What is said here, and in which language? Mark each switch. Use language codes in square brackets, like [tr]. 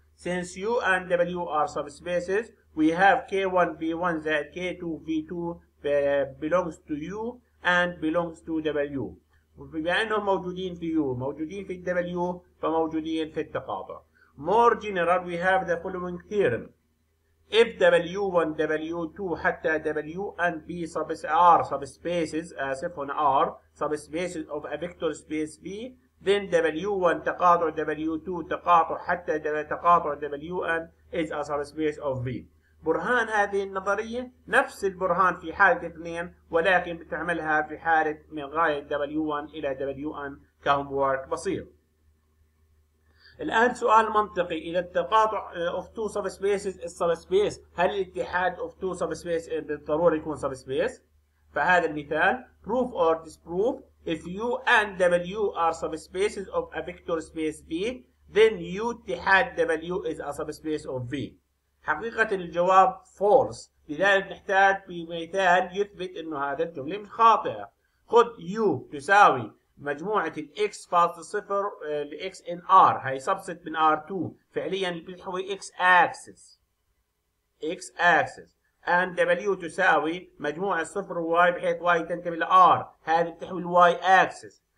[en] Since U and W are subspaces, we have K1 V1 [ar] زائد [en] K2 V2 belongs to U and belongs to W. [ar] بأنهم موجودين في U، موجودين في W، فموجودين في التقاطع. [en] More general, we have the following theorem. If W1, W2, حتى W and B R subspaces, [ar] آسف هنا [en] R subspaces of a vector space V, then W1 تقاطع W2 تقاطع حتى تقاطع W N is a subspace of V. [ar] برهان هذه النظرية نفس البرهان في حالة اثنين، ولكن بتعملها في حالة من غاية W1 إلى W N كهومورك بسيط. الآن سؤال منطقي، إذا التقاطع [en] of two subspaces is subspace، [ar] هل الاتحاد [en] of two subspaces [ar] بالضروري يكون subspace؟ فهذا المثال [en] proof or disproof. If U and W are subspaces of a vector space V, then U اتحاد W is a subspace of V. [ar] حقيقة الجواب false، لذلك نحتاج بمثال يثبت إنه هذا الجملة مش خاطئة. خذ U تساوي مجموعة الـ x فاصل صفر الـ x [en] in R، [ar] هاي subset من R2، فعلياً بتحوي [en] x axis، x axis، and [ar] W تساوي مجموعة صفر و y بحيث y تنتمي لـ R، هذه بتحوي الـ [en] y axis.